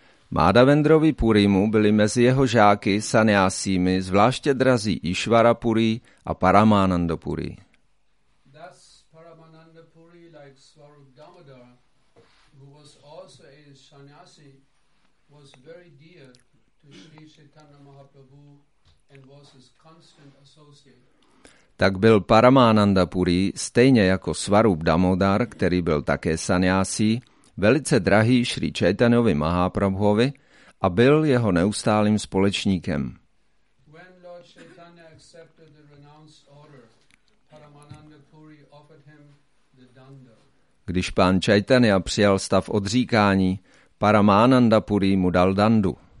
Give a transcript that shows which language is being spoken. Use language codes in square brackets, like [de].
[cs] Madhavendrovi Purimu byli mezi jeho žáky sannyasími zvláště drazí Ishvara Puri a Paramananda Puri. [en] Thus, Paramananda Puri, like Swarup Damodar, who was also a sannyasi, was very dear to Sri Chaitanya Mahaprabhu and was his constant associate. [cs] Tak byl Paramananda Puri, stejně jako Swarup Damodar, který byl také sannyasi, velice drahý Sri Chaitanyovi Mahaprabhuovi a byl jeho neustálým společníkem. [en] When Lord Chaitanya accepted the renounced order, Paramananda Puri offered him the danda. [cs] Když pán Chaitanya přijal stav odříkání, Paramananda Puri mu dal dandu.